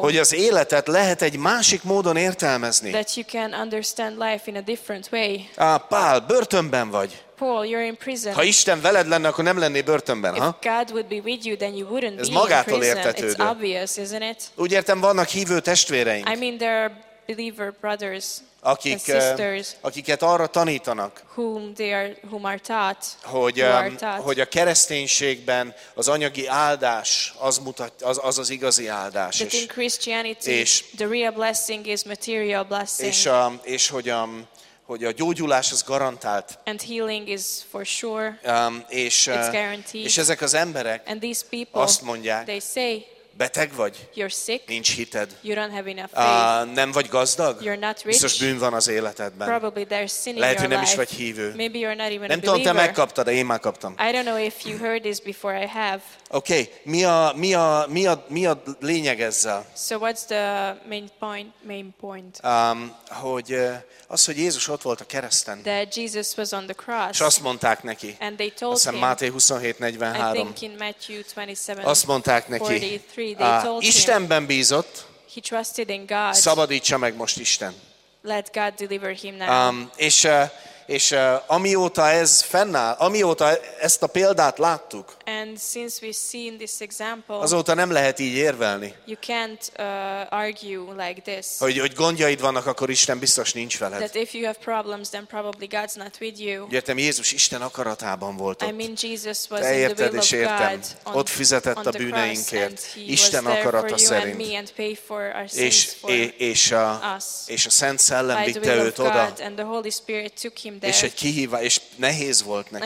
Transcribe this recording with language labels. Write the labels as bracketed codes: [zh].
[hu] hogy az életet lehet egy másik módon értelmezni. [en] That you can understand life in a different way. [hu] Á, Pál, börtönben vagy. [en] Paul, you're in prison. [hu] Ha Isten veled lenne, akkor nem lennél börtönben, ha? [en] If God would be with you, then you wouldn't [hu] ez [en] be [hu] magától [en] in prison. [hu] Értetődő. [en] It's obvious, isn't it? [hu] Úgy értem, vannak hívő testvéreink. [en] I mean, there are believer brothers. [hu] Akik, [en] sisters, [hu] akiket arra tanítanak, [en] whom are taught, [hu] hogy, hogy a kereszténységben az anyagi áldás az, mutat, az, az, az igazi áldás. [en] That in Christianity, és, the real blessing is material blessing. [hu] És hogy, hogy a gyógyulás az garantált. [en] And healing is for sure. [hu] És, [en] it's guaranteed. [hu] És ezek az emberek [en] and these people, [hu] azt mondják, [en] they say, [hu] beteg vagy? [en] You're sick. [hu] Nincs hited. [en] You don't have enough faith. [hu] Nem vagy gazdag? [en] You're not rich. [hu] Biztos bűn van az életedben. [en] Probably there's sin in [hu] lehet, hogy nem [en] life. [hu] Is vagy hívő. [en] Maybe you're not even [hu] nem [en] a believer. [hu] Tudom, te megkaptad, de én már kaptam. [en] I don't know if you heard this before I have. [hu] Okay, mi a lényeg ezzel? [en] So what's the main point? [hu] Hogy az, hogy Jézus ott volt a kereszten. [en] That Jesus was on the cross. [hu] És azt mondták neki. [en] And they told him. Máté 27:43. I think in Matthew 27:43. [hu] Azt mondták neki. Istenben bízott. [en] He trusted in God. [hu] Szabadítsa meg most Isten. [en] Let God deliver him now. [hu] És amióta ez fennáll, amióta ezt a példát láttuk, [en] and since we've seen this example, [hu] azóta nem lehet így érvelni, [en] you can't, argue like this, [hu] hogy gondjaid vannak, akkor Isten biztos nincs veled. [en] That if you have problems, then probably God's not with you. [hu] Értem, Jézus Isten akaratában volt ott. [en] I mean, Jesus was [hu] te érted, [en] in the will of God, [hu] ott fizetett a bűneinkért, [en] cross, [hu] Isten akarata szerint. És a Szent Szellem vitte őt oda. [en] There, [hu] és egy kihívás, és nehéz volt neki,